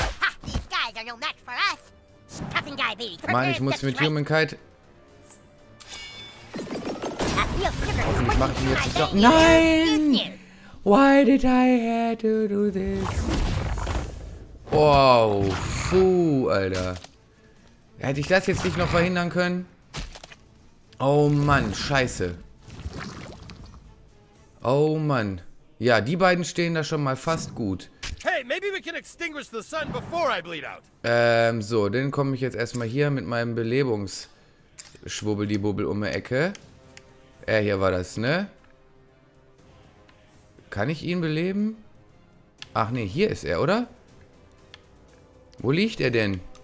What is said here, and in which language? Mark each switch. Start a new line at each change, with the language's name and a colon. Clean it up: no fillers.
English: Ha, these guys are no match for us. Tough guy, baby.
German: Mann, ich muss mit Humankind... Hoffentlich mach ich ihn jetzt nicht down. Nein!
English: Why did I have to do this?
German: Wow, puh, Alter. Hätte ich das jetzt nicht noch verhindern können? Oh Mann, scheiße. Oh Mann. Ja, die beiden stehen da schon mal fast gut.
English: Hey, maybe we can extinguish the sun before I bleed out.
German: So, dann komme ich jetzt erstmal hier mit meinem Belebungsschwubbeldiebubbel um die Ecke. Hier war das, ne? Kann ich ihn beleben? Ach ne, hier ist er, oder? Wo liegt er denn?